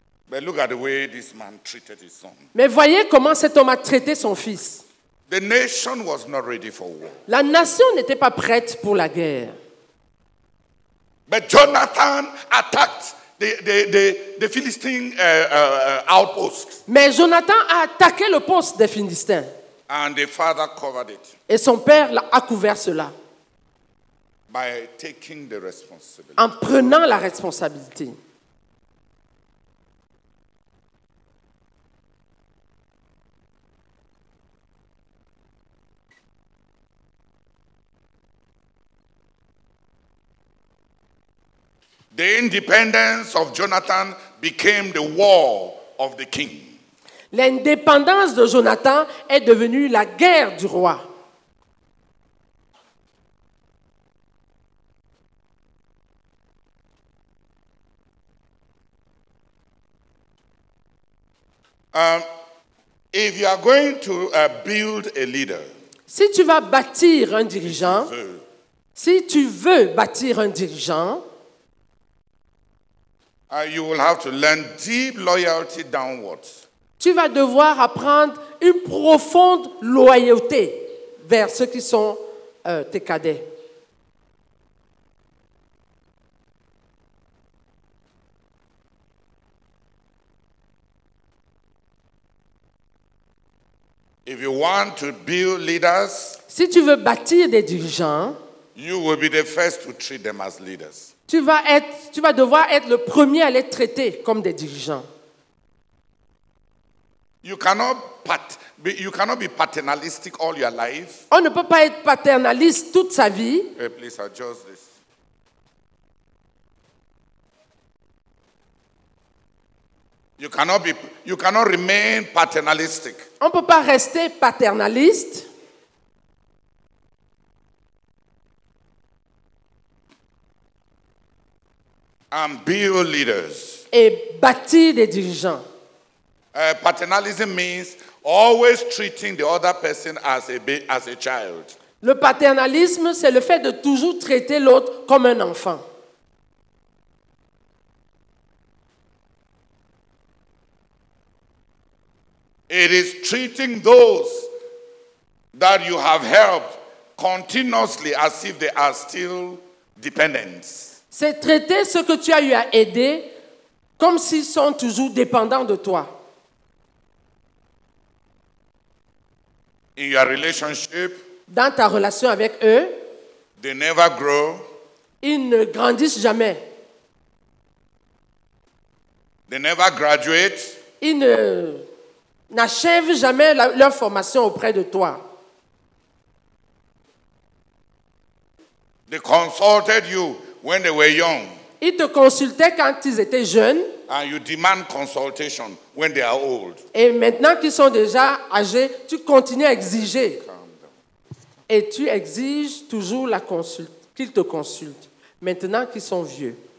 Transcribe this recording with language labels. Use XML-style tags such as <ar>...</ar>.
<en>But look at the way this man treated his son.</en> <fr>Mais voyez comment cet homme a traité son fils.</fr> <en>The nation was not ready for war.</en> <fr>La nation n'était pas prête pour la guerre.</fr> <en>But Jonathan attacked the Philistine outpost.</en> <fr>Mais Jonathan a attaqué le poste des Philistins.</fr> <en>And the father covered it.</en> <fr>Et son père a couvert cela.</fr> <en>By taking the responsibility.</en> <fr>En prenant la responsabilité.</fr> <en>The independence of Jonathan became the war of the king.</en> <fr>L'indépendance de Jonathan est devenue la guerre du roi.</fr> <en>If you are going to build a leader,</en> <fr>si tu vas bâtir un dirigeant, si tu veux bâtir un dirigeant,</fr> <en>You will have to learn deep loyalty downwards.</en> <fr>Tu vas devoir apprendre une profonde loyauté vers ceux qui sont tes cadets.</fr> <en>If you want to build leaders,</en> <fr>si tu veux bâtir des dirigeants,</fr> <en>you will be the first to treat them as leaders.</en> <fr>Tu vas devoir être le premier à les traiter comme des dirigeants.</fr> <en>You cannot be paternalistic all your life.</en> <fr>On ne peut pas être paternaliste toute sa vie.</fr> <en>Hey, please adjust this. You cannot remain paternalistic.</en> <fr>On ne peut pas rester paternaliste.</fr> <en>And build leaders.</en> <fr>Et bâtir des dirigeants.</fr> <en>Paternalism means always treating the other person as a child.</en> <fr>Le paternalisme, c'est le fait de toujours traiter l'autre comme un enfant.</fr> <en>It is treating those that you have helped continuously as if they are still dependents.</en> <fr>C'est traiter ceux que tu as eu à aider comme s'ils sont toujours dépendants de toi.</fr> <en>In your relationship,</en> <fr>dans ta relation avec eux,</fr> <en>they never grow.</en> <fr>Ils ne grandissent jamais.</fr> <en>They never graduate.</en> <fr>Ils n'achèvent jamais leur formation auprès de toi.</fr> <en>They consulted you. When they were young,</en> <fr>ils te consultaient quand ils étaient jeunes.</fr> <en>And you demand consultation when they are old.</en> <fr>Et maintenant qu'ils sont déjà âgés, tu continues à exiger. Et tu exiges toujours la consulte, qu'ils te consultent, maintenant qu'ils sont vieux.</fr>